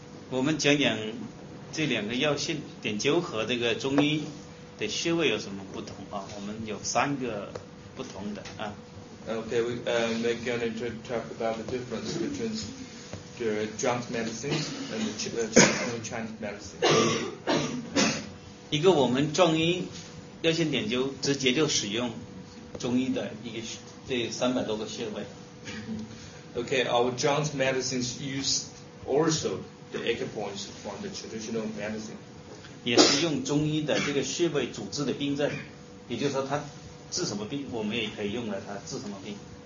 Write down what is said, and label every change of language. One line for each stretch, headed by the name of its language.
Chinese: 我们讲讲这两个药性点灸和这个中医的穴位有什么不同啊？我们有三个不同的啊。
English: Okay, we're going to talk about the difference between the Zhuang medicine and the Chinese medicine.
Chinese: 一个我们中医药性点灸直接就使用中医的一个这300多个穴位。
English: Okay, our Zhuang medicines use also the acupoints from the traditional medicine.
Chinese: 也是用中医的这个穴位主治的病症，也就是说它。治什么病，我们也可以用来它治什么病。